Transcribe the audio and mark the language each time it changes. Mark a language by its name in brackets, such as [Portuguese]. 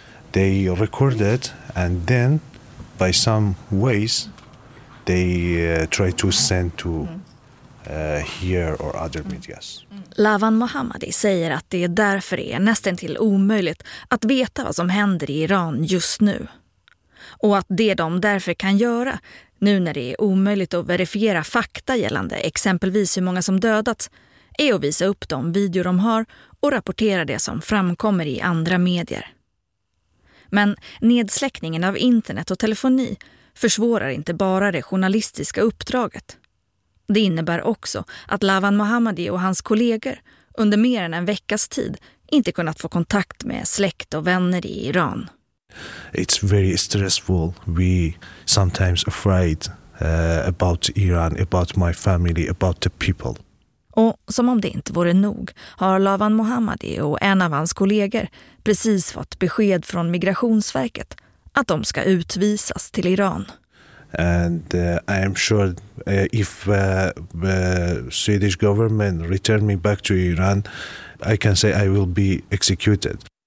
[English] They recorded and then by some ways they try to send to here or other medias. [Swedish] Lavan Mohammadi säger att det är därför det är nästan till omöjligt att veta vad som händer i Iran just nu. Och att det de därför kan göra, nu när det är omöjligt att verifiera fakta gällande exempelvis hur många som dödats, är att visa upp de videor de har och rapportera det som framkommer i andra medier. Men nedsläckningen av internet och telefoni försvårar inte bara det journalistiska uppdraget. Det innebär också att Lavan Mohammadi och hans kollegor under mer än en veckas tid inte kunnat få kontakt med släkt och vänner i Iran. [English] It's very stressful. We sometimes afraid about Iran, about my family, about the people. [Swedish] Och som om det inte vore nog har Lavan Mohammadi och en av hans kollegor precis fått besked från Migrationsverket att de ska utvisas till Iran. [English] And I am sure if Swedish government return me back to Iran, I can say I will be executed.